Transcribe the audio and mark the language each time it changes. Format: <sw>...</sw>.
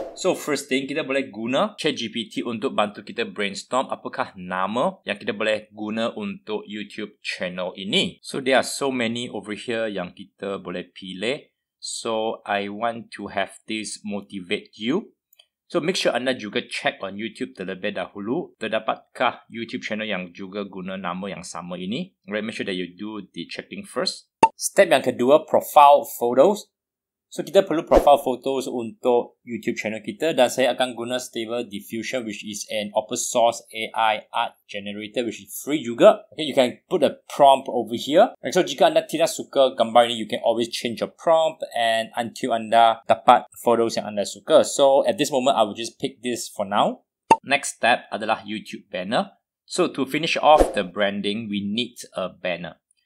<ms>So first thing, kita boleh guna ChatGPT untuk bantu kita brainstorm apakah nama yang kita boleh guna untuk YouTube channel ini.</ms> <en>So there are so many over here</en> <ms>yang kita boleh pilih.</ms> <en>So I want to have this motivate you. So make sure</en> <ms>anda juga</ms> <en>check on YouTube</en> <ms>terlebih dahulu. Terdapatkah YouTube channel yang juga guna nama yang sama ini?</ms> <en>Right, make sure that you do the checking first. Step</en> <ms>yang kedua,</ms> <en>profile photos. So</en> <ms>kita perlu</ms> <en>profile photos untuk YouTube channel</en> <ms>kita dan saya akan guna</ms> <en>Stable Diffusion which is an open source AI art generator which is free juga. Okay, you can put a prompt over here. And so</en> <ms>jika anda tidak suka gambar ini,</ms> <en>you can always change your prompt and until</en> <ms>anda dapat</ms> <en>photos</en> <ms>yang anda suka.</ms> <en>So at this moment, I will just pick this for now. Next step</en> <ms>adalah</ms> <en>YouTube banner. So to finish off the branding, we need a banner.</en>